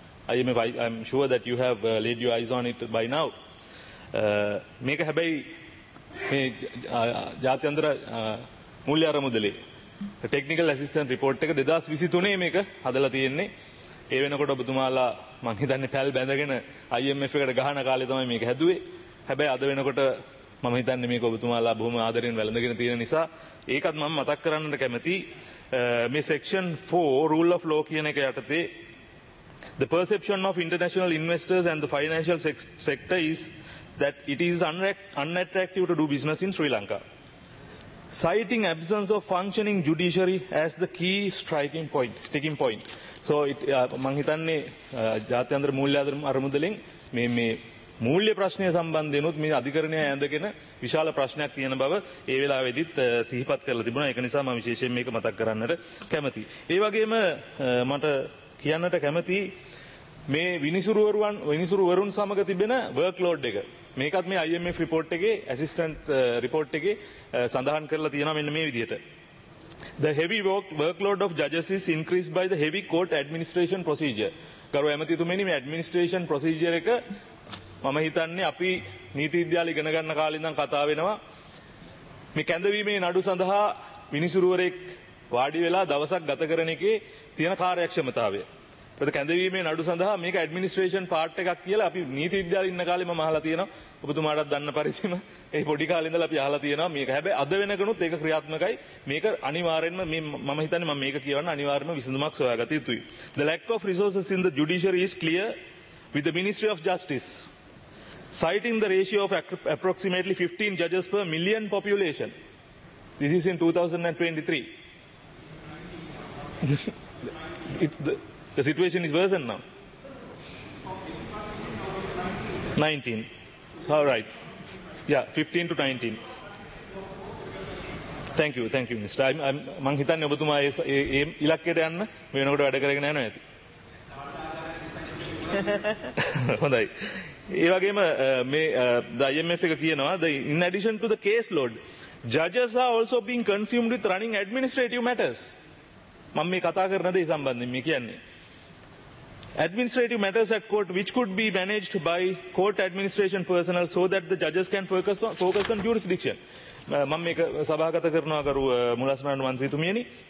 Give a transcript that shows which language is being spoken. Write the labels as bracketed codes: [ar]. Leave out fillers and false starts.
[en] I'm sure that you have laid your eyes on it by now. [si] මේක හැබැයි මේ ජාත්‍යන්තර මුල්‍ය අරමුදලේ Technical Assistance Report එක 2023 මේක හදලා තියෙන්නේ. ඒ වෙනකොට ඔබතුමාලා මං හිතන්නේ පැල් බැඳගෙන IMF එකට ගහන කාලේ තමයි මේක හැදුවේ. හැබැයි අද වෙනකොට මම හිතන්නේ මේක ඔබතුමාලා බොහොම ආදරෙන් වැළඳගෙන තියෙන නිසා ඒකත් මම මතක් කරන්නට කැමතියි. මේ සෙක්ෂන් 4 Rule of Law කියන එක යටතේ [en] The perception of international investors and the financial sector is that it is unattractive to do business in Sri Lanka. Citing absence of functioning judiciary as the key sticking point. [si] So මං හිතන්නේ ජාත්‍යන්තර මූල්‍ය අරමුදලෙන් මේ මූල්‍ය ප්‍රශ්නය සම්බන්ධයෙන්ුත් මේ අධිකරණය ඇඳගෙන විශාල ප්‍රශ්නයක් තියෙන බව ඒ වෙලාවේදීත් සිහිපත් කරලා තිබුණා. ඒක නිසා මම විශේෂයෙන් මේක මතක් කරන්නට කැමතියි. ඒ වගේම මට කියන්නට කැමතියි මේ විනිසුරුවරුන් සමග තිබෙන වර්ක්ලෝඩ් එක. මේකත් මේ IMF report එකේ assistant report එකේ සඳහන් කරලා තියෙනවා මෙන්න මේ විදිහට. [en] The heavy workload of judges is increased by the heavy court administration procedure. [si] ගරු ඇමතිතුමනි, මේ administration procedure එක මම හිතන්නේ අපි නීති විද්‍යාල ඉගෙන ගන්න කාලේ ඉඳන් කතා වෙනවා. මේ කැඳවීමේ නඩු සඳහා විනිසුරුවරෙක් වාඩි වෙලා දවසක් ගත කරන එකේ තියෙන කාර්යක්ෂමතාවය. ඒක කැඳවීමේ නඩු සඳහා මේක ඇඩ්මිනිස්ට්‍රේෂන් පාර්ට් එකක් කියලා අපි නීති විද්‍යාලේ ඉන්න කාලේ මම අහලා තියෙනවා. ඔබතුමාටත් දන්න පරිදිම ඒ පොඩි කාලේ ඉඳලා අපි අහලා තියෙනවා මේක. හැබැයි අද වෙනකනුත් ඒක ක්‍රියාත්මකයි. මේක අනිවාර්යෙන්ම මම හිතන්නේ මම මේක කියවන්න අනිවාර්යෙන්ම විසඳුමක් සොයාගත යුතුයි. [en] The lack of resources in the judiciary is clear with the Ministry of Justice citing the ratio of approximately 15 judges per million population. This is in 2023. The situation is worse now. 19. So, all right. Yeah, 15 to 19. Thank you, Mr. [si] මං හිතන්නේ ඔබතුමා ඒ ඉලක්කයට යන්න වෙනකොට වැඩ කරගෙන යනවා ඇති. හොඳයි. ඒ වගේම මේ IMF එක කියනවා, [en] in addition to the caseload, judges are also being consumed with running administrative matters. [si] මම මේ කතා කරන දේ සම්බන්ධයෙන් මේ කියන්නේ. [en] Administrative matters at court which could be managed by court administration personnel so that the judges can focus on jurisdiction. [si] මම මේක සභාගත කරනවා ගරු මුලස්මරණ මන්ත්‍රීතුමියනි.